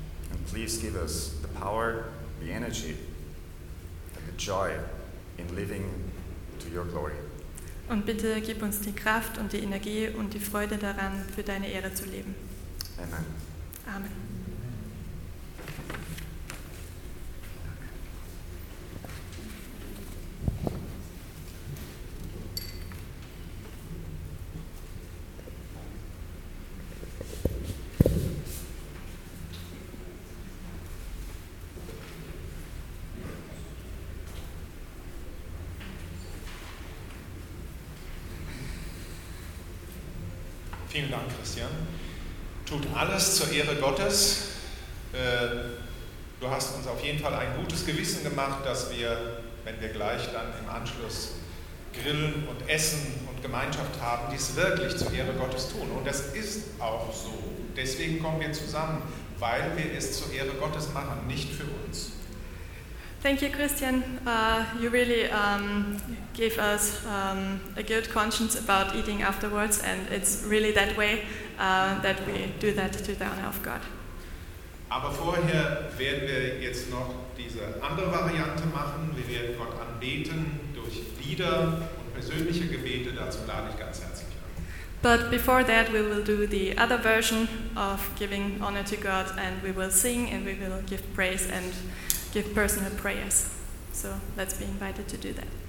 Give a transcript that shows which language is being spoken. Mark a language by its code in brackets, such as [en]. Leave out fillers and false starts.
[en] And please give us the power, the energy, and the joy in living to your glory. [de] Und bitte gib uns die Kraft und die Energie und die Freude daran, für deine Ehre zu leben. [en] Amen. [de] Amen. Vielen Dank, Christian. Tut alles zur Ehre Gottes. Du hast uns auf jeden Fall ein gutes Gewissen gemacht, dass wir, wenn wir gleich dann im Anschluss grillen und essen und Gemeinschaft haben, dies wirklich zur Ehre Gottes tun. Und das ist auch so. Deswegen kommen wir zusammen, weil wir es zur Ehre Gottes machen, nicht für uns. [en] Thank you, Christian. You really gave us a good conscience about eating afterwards, and it's really that way that we do that to the honor of God. [de] Aber vorher werden wir jetzt noch diese andere Variante machen. Wir werden Gott anbeten durch Lieder und persönliche Gebete. Dazu lade ich ganz herzlich an. [en] But before that, we will do the other version of giving honor to God, and we will sing and we will give praise and give personal prayers. So let's be invited to do that.